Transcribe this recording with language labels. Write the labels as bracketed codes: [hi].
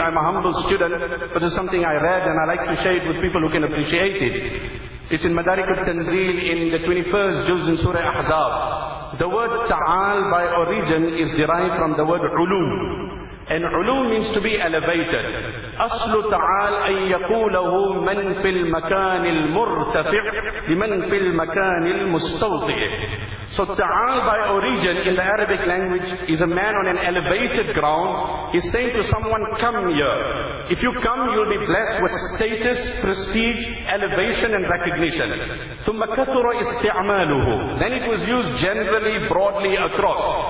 [en] I'm a humble student, but it's something I read and I like to share it with people who can appreciate it. It's in Madarikul Tanzeel in the 21st Juz in Surah Ahzab. The word Ta'al by origin is derived from the word Ulu. And علوم means to be elevated. [ar] أصل تعال أن يقوله من في المكان المرتفع لمن في المكان المستوضع. [en] So تعال by origin in the Arabic language is a man on an elevated ground. He's saying to someone, come here. If you come, you'll be blessed with status, prestige, elevation and recognition. [ar] ثم كثر استعماله. [en] Then it was used generally, broadly across.